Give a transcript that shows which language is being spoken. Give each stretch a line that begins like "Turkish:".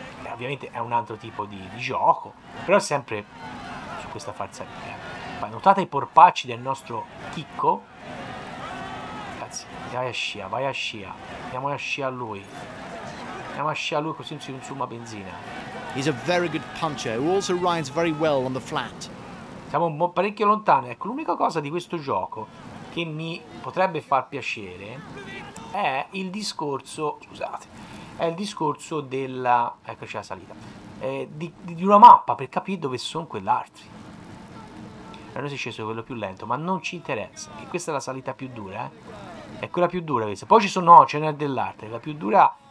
Italian: Ovviamente è un altro tipo di gioco, però è sempre su questa farsalia. Ma notate i porpacci del nostro chicco. Ragazzi, vai a scia, vai a scia. Andiamo a scia a lui. Andiamo a scia a lui, così non si consuma benzina.
English: He's a very good puncher who also rides very well on the flat.
Italian: Siamo parecchio lontani. Ecco, l'unica cosa di questo gioco che mi potrebbe far piacere è il discorso. Scusate. È il discorso della. Eccoci la salita. Di una mappa per capire dove sono quell'altri. Allora si è sceso quello più lento, ma non ci interessa. E questa è la salita più dura, È quella più dura questa. Poi ci sono. No, ce n'è dell'altra. La più dura.